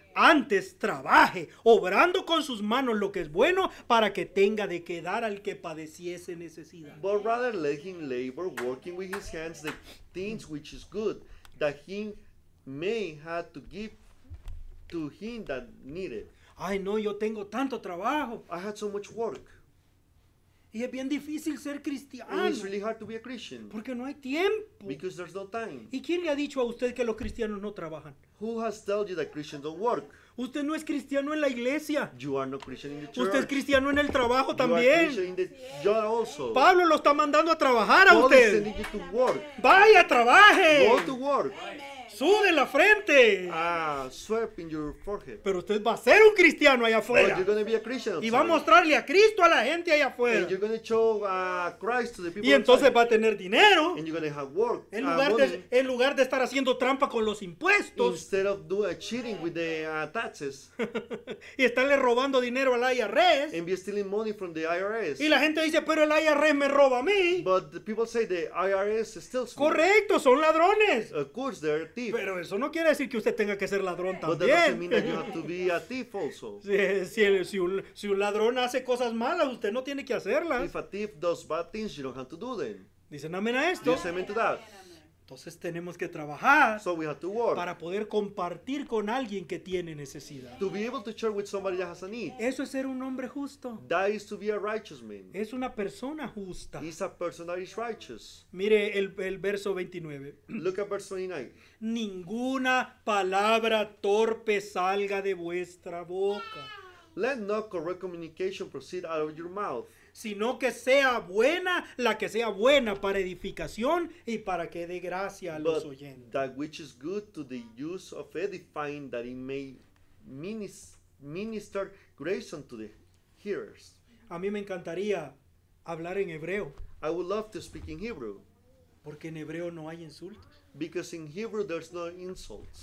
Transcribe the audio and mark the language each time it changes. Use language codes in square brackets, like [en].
[es] Antes trabaje, obrando con sus manos lo que es bueno para que tenga de qué dar al que padeciese necesidad. [en] But rather let him labor, working with his hands the things which is good, that he may have to give to him that needed. [es] Ay no, yo tengo tanto trabajo. [en] I had so much work. [es] Y es bien difícil ser cristiano. [en] It's really hard to be a Christian. [es] Porque no hay tiempo. [en] Because there's no time. [es] ¿Y quién le ha dicho a usted que los cristianos no trabajan? [en] Who has told you that Christians don't work? [es] Usted no es cristiano en la iglesia. [en] You are not Christian in the church. [es] Usted es cristiano en el trabajo [en] you [es] también. [en] Are Christian in the job also. [es] Pablo lo está mandando a trabajar [en] Paul [es] a usted. [en] Is sending you to work. [es] Vaya, trabaje. [en] Go to work. [es] Sude la frente. [en] Sweat in your forehead. [es] Pero usted va a ser un cristiano allá afuera. [en] You're going to be a Christian outside. [es] Y va a mostrarle a Cristo a la gente allá afuera. [en] And you're going to show Christ to the people. [es] Y entonces [en] outside. [es] Va a tener dinero. [en] And you're going to have work. [es] En lugar de estar haciendo trampa con los impuestos. [en] Instead of cheating with the taxes. [es] Y estarle robando dinero al IRS. [en] And be stealing money from the IRS. [es] Y la gente dice, pero el IRS me roba a mí. [en] But the people say the IRS steals. [es] Correcto, son ladrones. [en] Of course they're thief. [es] Pero eso no quiere decir que usted tenga que ser ladrón también. Si un ladrón hace cosas malas, usted no tiene que hacerlas. [en] If a thief does bad things, you don't have to do them. [es] Dicen amén a esto. [en] Yes, amen to that. [es] Entonces tenemos que trabajar. [en] So we have to work. [es] Para poder compartir con alguien que tiene necesidad. [en] To be able to share with somebody that has a need. [es] Eso es ser un hombre justo. [en] That is to be a righteous man. [es] Es una persona justa. [en] He's a person that is righteous. [es] Mire el verso 29. [en] Look at verse 29. [es] Ninguna palabra torpe salga de vuestra boca. [en] Let no correct communication proceed out of your mouth. [es] Sino que sea buena la que sea buena para edificación y para que dé gracia a los oyentes. [en] But that which is good to the use of edifying, that it may minister grace unto the hearers. [es] A mí me encantaría hablar en hebreo. [en] I would love to speak in Hebrew. [es] Porque en hebreo no hay insultos. [en] Because in Hebrew there's no insults.